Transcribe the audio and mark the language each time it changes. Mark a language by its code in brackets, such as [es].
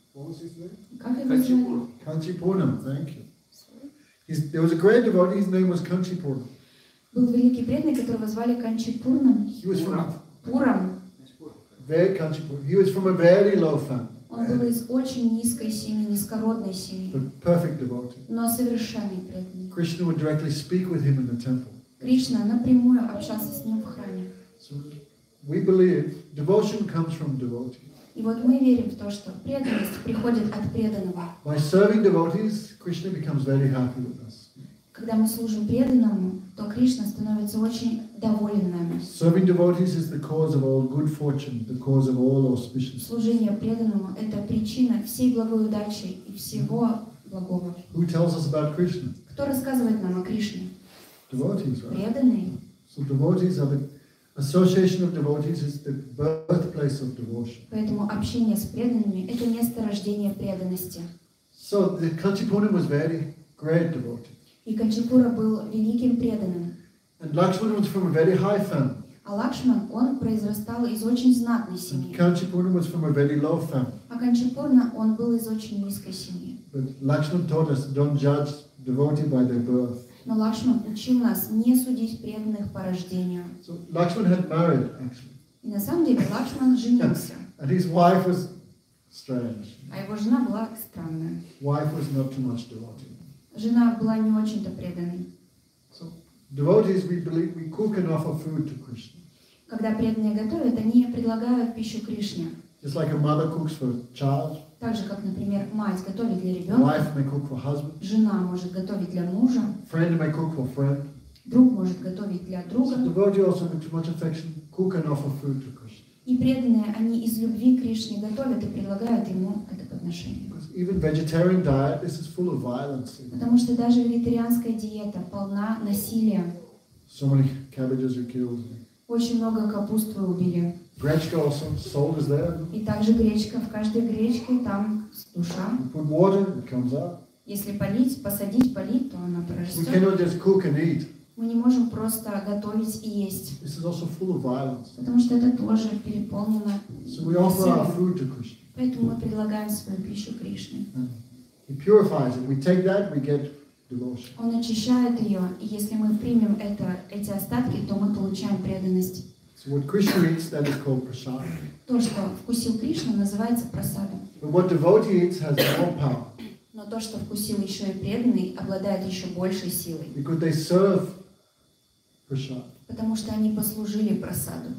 [en] What was his name? Kanchipuram. Thank you. There was a great devotee. His name was Kanchipuram. [ru] Был великий преданный, которого звали Kanchipuram. [en] He was from Puram. Very Kanchipuram. He was from a very low family. [ru] Он был из очень низкой семьи, низкородной семьи. [en] But perfect devotee. [ru] Но совершенный преданный. [en] Krishna would directly speak with him in the temple. [ru] Кришна напрямую общался с ним в храме. [en] So we believe devotion comes from devotee. [ru] И вот мы верим в то, что преданность приходит от преданного. [en] By serving devotees, Krishna becomes very happy with us. [ru] Когда мы служим преданному, то Кришна становится очень доволен нами. [en] Serving devotees is the cause of all good fortune, the cause of all auspicious. [ru] Служение преданному – это причина всей благой удачи и всего благого. [en] Who tells us about Krishna? [ru] Кто рассказывает нам о Кришне? [en] Devotees, right? [ru] Преданные. [en] So devotees are the association of devotees is the birthplace of devotion. [ru] Поэтому общение с преданными – это место рождения преданности. [en] So the Kanchipuram was very great devotee. [ru] И Канчипура был великим преданным. [en] And Lakshman was from a very high family. [ru] А Лакшман, он произрастал из очень знатной семьи. [en] And Kanchipura was from a very low family. [ru] А Канчипурна, он был из очень низкой семьи. [en] But Lakshman taught us, don't judge devotee by their birth. [ru] Но Лакшман учил нас не судить преданных по рождению. [en] So Lakshman had married, actually. [ru] И на самом деле Лакшман женился. [en] And his wife was strange. [ru] А его жена была странная. [en] Wife was not too much devotee. [ru] Жена была не очень-то преданной. [en] So, devotees, we believe, we cook and offer food to Krishna. [ru] Когда преданные готовят, они предлагают пищу Кришне. [en] Just like a mother cooks for a child. [ru] Так же, как, например, мать готовит для ребенка. [en] Wife may cook for husband. [ru] Жена может готовить для мужа. [en] Friend may cook for friend. [ru] Друг может готовить для друга. [en] So, devotees also with too much affection cook and offer food to Krishna. [ru] И преданные, они из любви к Кришне готовят и предлагают ему это подношение. [en] Even vegetarian diet, this is full of violence. [ru] Потому что даже вегетарианская диета полна насилия. [en] So many cabbages were killed. [ru] Очень много капусты убили. [en] Гречка also sold is there. [ru] И также гречка, в каждой гречке там душа. [en] You put water, it comes up. [ru] Если полить, посадить, полить, то она прорастет. [en] We cannot just cook and eat. [ru] Мы не можем просто готовить и есть. [en] This is also full of violence. [ru] Потому что это тоже переполнено. [en] So we offer our food to Krishna. [ru] Поэтому мы предлагаем свою пищу Кришне. [en] He purifies it. We take that, we get devotion. [ru] Он очищает ее, и если мы примем это, эти остатки, то мы получаем преданность. [en] So what Krishna eats, that is called prasada. [ru] То, что вкусил Кришна, называется прасадом. [en] But what devotee eats has more power. [ru] Но то, что вкусил еще и преданный, обладает еще большей силой. [en] Because they serve prasada. [ru] Потому что они послужили прасаду.